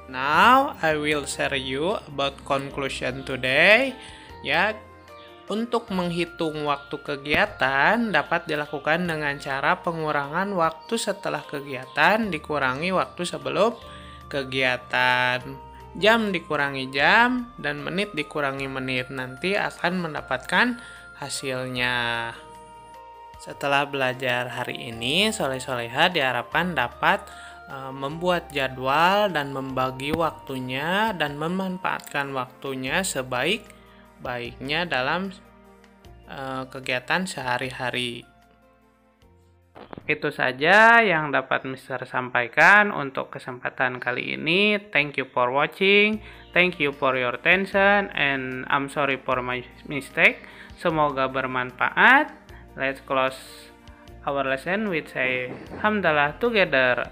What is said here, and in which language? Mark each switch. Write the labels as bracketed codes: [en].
[en] Now, I will share you about conclusion today. [id] Ya, untuk menghitung waktu kegiatan dapat dilakukan dengan cara pengurangan waktu setelah kegiatan dikurangi waktu sebelum kegiatan. Jam dikurangi jam dan menit dikurangi menit, nanti akan mendapatkan hasilnya. Setelah belajar hari ini, Soleh-Soleha diharapkan dapat membuat jadwal dan membagi waktunya dan memanfaatkan waktunya sebaik-baiknya dalam kegiatan sehari-hari. Itu saja yang dapat Mister sampaikan untuk kesempatan kali ini. [en] Thank you for watching, thank you for your attention, and I'm sorry for my mistake. [id] Semoga bermanfaat. [en] Let's close our lesson with say Alhamdulillah together.